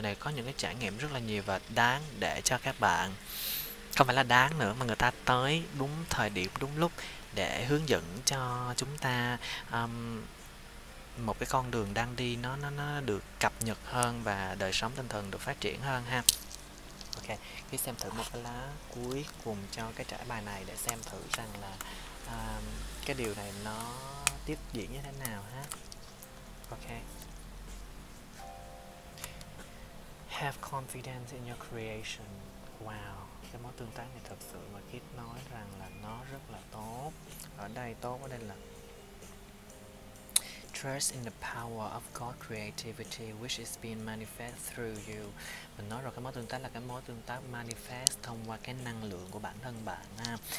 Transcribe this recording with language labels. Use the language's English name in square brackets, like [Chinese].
[Vietnamese] Người này có những cái trải nghiệm rất là nhiều và đáng để cho các bạn, không phải là đáng nữa mà người ta tới đúng thời điểm đúng lúc để hướng dẫn cho chúng ta một cái con đường đang đi nó được cập nhật hơn và đời sống tinh thần được phát triển hơn ha. Ok, cứ xem thử một cái lá cuối cùng cho cái trải bài này để xem thử rằng là cái điều này nó tiếp diễn như thế nào ha. Ok. [English] Have confidence in your creation. [Vietnamese] Wow, cái mối tương tác này thật sự mà Kit nói rằng là nó rất là tốt. Ở đây tốt ở đây là [English] trust in the power of God creativity which is being manifest through you. [Vietnamese] Mình nói rồi, cái mối tương tác là cái mối tương tác manifest thông qua cái năng lượng của bản thân bạn ha.